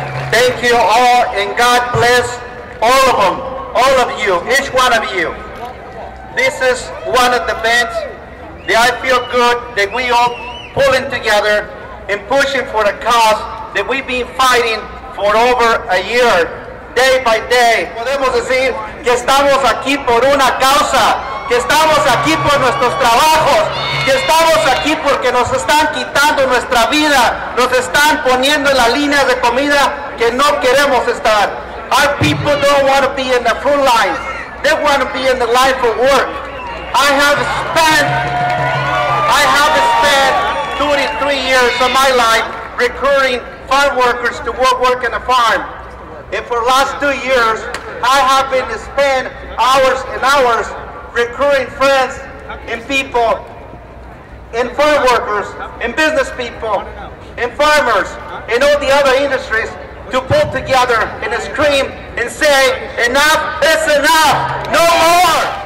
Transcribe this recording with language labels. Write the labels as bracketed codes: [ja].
[en] thank you all, and God bless all of them, all of you, each one of you. This is one of the events that I feel good that we all pulling together and pushing for the cause that we've been fighting for over a year, day by day. [es] Podemos decir que estamos aquí por una causa, que estamos aquí por nuestros trabajos, que estamos aquí porque nos están quitando nuestra vida, nos están poniendo en la línea de comida que no queremos estar. [en] Our people don't want to be in the front line. They want to be in the line for work. I have spent 23 years of my life recruiting farm workers to work in a farm. And for the last 2 years, I have been to spend hours and hours recruiting friends and people and farm workers and business people and farmers and all the other industries to pull together and scream and say, enough is enough, no more.